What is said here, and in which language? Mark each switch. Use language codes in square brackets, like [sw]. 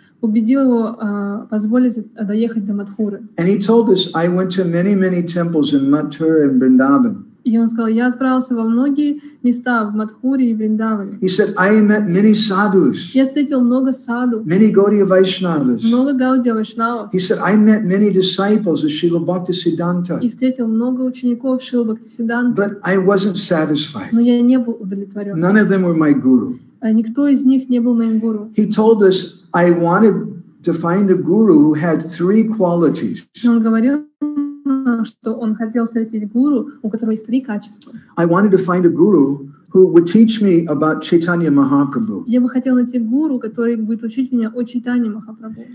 [ru] Убедил его позволить доехать до Матхуры. [en] And he told us, I went to many, many temples in Mathura and Vrindavan. [ru] И он сказал, я отправился во многие места в Матхуре и Вриндаване. [en] He said, I met many sadhus. [ru] Я встретил много саду. [en] Many Gaudiya Vaishnavas. [ru] Много Гаудия Вайшнавов. [en] He said, I met many disciples of Srila Bhaktisiddhanta. [ru] И встретил много учеников Шрилы Бхактисиддханты. [en] But I wasn't satisfied. [ru] Но я не был удовлетворен. [en] None of them were my guru. [ru] Никто из них не был моим гуру. [en] He told us, I wanted to find a guru who had three qualities. [ru] Он говорил, что он хотел встретить гуру, у которого есть три качества. [en] I wanted to find a guru who would teach me about Chaitanya Mahaprabhu. [ru] Я бы хотел найти гуру, который будет учить меня о Чайтанье Махапрабху.